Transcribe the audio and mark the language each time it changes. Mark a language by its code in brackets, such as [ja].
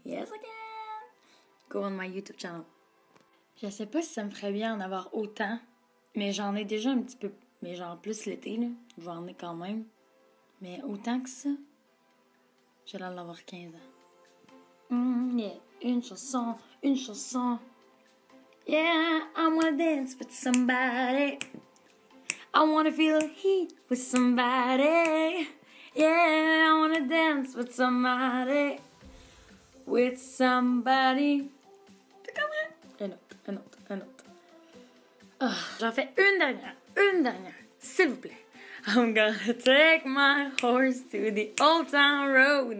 [en] Yes, I can. Go on my YouTube channel. [fr] Je sais pas si ça me ferait bien en avoir autant, mais j'en ai déjà un petit peu. Mais genre plus l'été, là. J'en ai quand même. Mais autant que ça, j'ai l'air d'avoir 15 ans. [en] Yeah. [fr] Une chanson. [en] Yeah, I wanna dance with somebody. I wanna feel heat with somebody. Yeah, I wanna dance with somebody. With somebody. [fr] T'es comme un? Un autre. Oh, j'en fais une dernière, s'il vous plaît. [en] I'm gonna take my horse to the old town road.